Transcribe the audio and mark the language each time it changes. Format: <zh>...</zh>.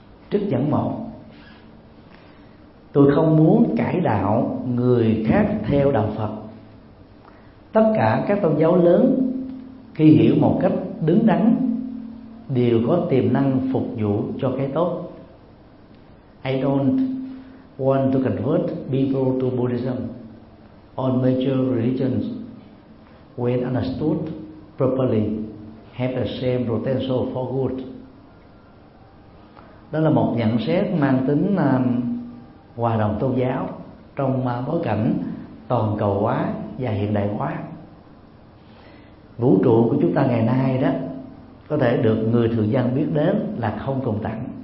<vi>Trước dẫn một, tôi không muốn cải đạo người khác theo đạo Phật. Tất cả các tôn giáo lớn khi hiểu một cách đứng đắn đều có tiềm năng phục vụ cho cái tốt.</vi> <en>I don't want to convert people to Buddhism or major religions when understood properly have the same potential for good.</en> <vi>Đó là một nhận xét mang tính hòa đồng tôn giáo trong bối cảnh toàn cầu hóa và hiện đại hóa. Vũ trụ của chúng ta ngày nay đó có thể được người thường dân biết đến là không tồn tại.</vi>